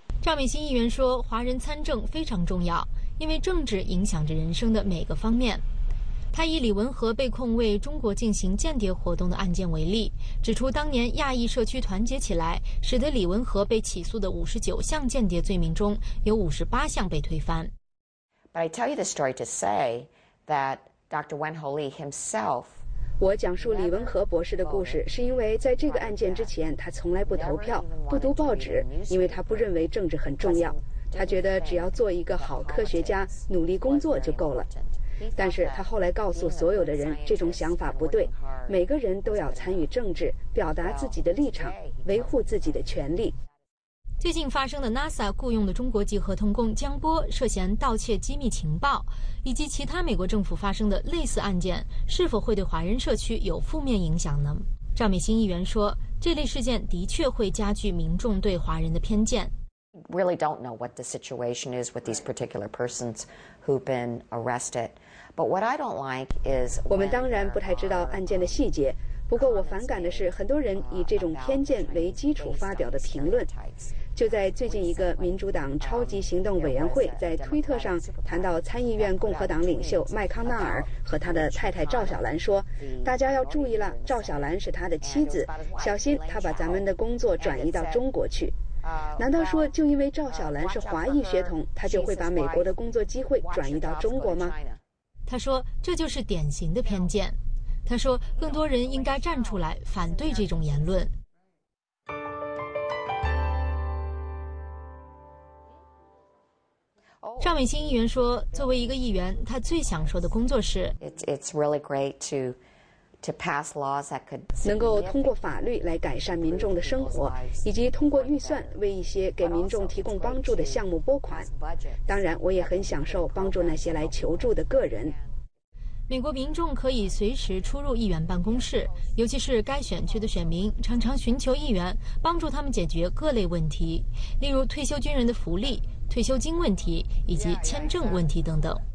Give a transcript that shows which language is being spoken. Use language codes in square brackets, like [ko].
[zh] 赵美心议员说，华人参政非常重要，因为政治影响着人生的每个方面。他以李文和被控为中国进行间谍活动的案件为例，指出当年亚裔社区团结起来，使得李文和被起诉的59项间谍罪名中有58项被推翻。 [en] But I tell you the story to say that Dr. Wenholi himself。 [zh] 我讲述李文和博士的故事，是因为在这个案件之前，他从来不投票、不读报纸，因为他不认为政治很重要。他觉得只要做一个好科学家，努力工作就够了。但是他后来告诉所有的人，这种想法不对，每个人都要参与政治，表达自己的立场，维护自己的权利。最近发生的 NASA 雇佣的中国籍合同工江波涉嫌盗窃机密情报，以及其他美国政府发生的类似案件，是否会对华人社区有负面影响呢？赵美心议员说，这类事件的确会加剧民众对华人的偏见。 [en] Really don't know what the situation is with these particular persons who've been arrested, but what I don't like is [zh] 我们当然不太知道案件的细节。不过我反感的是，很多人以这种偏见为基础发表的评论。就在最近，一个民主党超级行动委员会在推特上谈到参议院共和党领袖麦康纳尔和他的太太赵小兰，说大家要注意了，赵小兰是他的妻子，小心他把咱们的工作转移到中国去。难道说就因为赵小兰是华裔血统，她就会把美国的工作机会转移到中国吗？他说，这就是典型的偏见。他说，更多人应该站出来反对这种言论。赵美心议员说，作为一个议员，他最想说的工作是 [en] It's really great to pass laws that could [zh] 能够通过法律来改善民众的生活，以及通过预算为一些给民众提供帮助的项目拨款。当然，我也很享受帮助那些来求助的个人。美国民众可以随时出入议员办公室，尤其是该选区的选民常常寻求议员帮助他们解决各类问题，例如退休军人的福利、退休金问题以及签证问题等等。